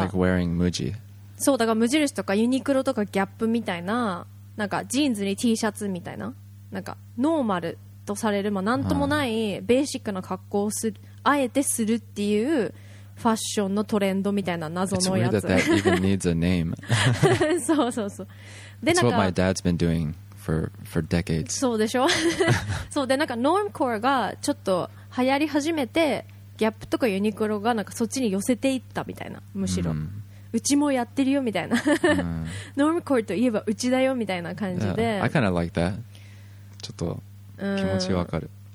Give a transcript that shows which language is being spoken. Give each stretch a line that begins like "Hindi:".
English: Like wearing Muji.
Japanese: そう、だから無印とかユニクロとかギャップみたいな、なんかジーンズに T シャツみたいな、なんかノーマルとされる、まあ、なんともないベーシックな格好をするあえてするっていうファッションのトレンドみたいな謎のやつ。
English: It's weird that that even needs a name.
Japanese: そうそうそう。で、なんか
English: That's what my dad's been doing for decades.
Japanese: そうでしょ。そうで、なんかノームコアがちょっと流行り始めて、ギャップとかユニクロがなんかそっちに寄せていったみたいな、むしろ。 Mm. うちもやってるよみたいな、ノームコールといえばうちだよみたいな感じで、
English: yeah, I kind of like that.
Japanese: ちょっと気持ちわかる。